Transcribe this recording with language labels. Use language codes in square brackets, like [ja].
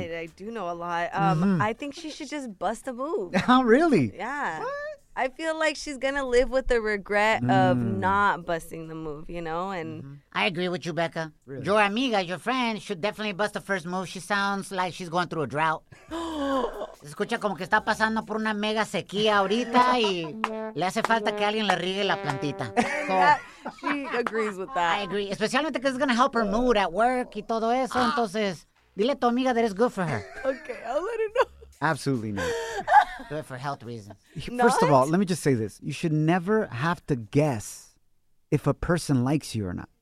[en] Yeah, I do know a lot. I think she should just bust a move. Oh, really? Yeah. What? I feel like she's going to live with the regret of not busting the move, you know? And I agree with you, Becca. Really? Your amiga, your friend, should definitely bust the first move. She sounds like she's going through a drought. [es] Escucha como que está pasando por una mega sequía ahorita y le hace falta que alguien le riegue la plantita. [en] So, that, she agrees with that. I agree. Especialmente because it's going to help her mood at work [es] y todo eso. Entonces, dile a tu amiga [en] that it's good for her. Okay, I'll let her know. Absolutely not. Good for health reasons. First of all, let me just say this. You should never have to guess if a person likes you or not.